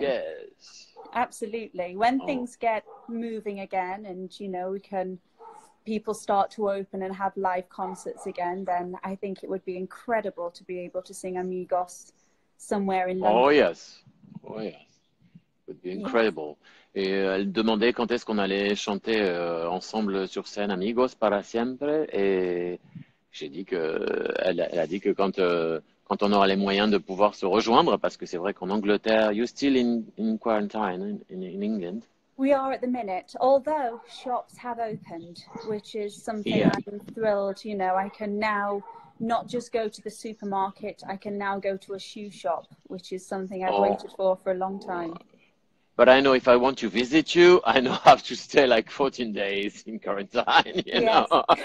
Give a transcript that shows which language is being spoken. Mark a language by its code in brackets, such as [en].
[en] Yes. Absolutely. When things get moving again, and you know, people start to open and have live concerts again, then I think it would be incredible to be able to sing Amigos somewhere in London. Oh yes, it would be incredible. Yes. [fr] Et elle demandait quand est-ce qu'on allait chanter ensemble sur scène Amigos para siempre, et j'ai dit que elle a dit que quand on aura les moyens de pouvoir se rejoindre, parce que c'est vrai qu'en Angleterre, [en] you're still in quarantine in England. We are at the minute, although shops have opened, which is something I'm thrilled, you know, I can now not just go to the supermarket, I can now go to a shoe shop, which is something I've waited for a long time. But I know if I want to visit you, I know I have to stay like 14 days in quarantine, you know.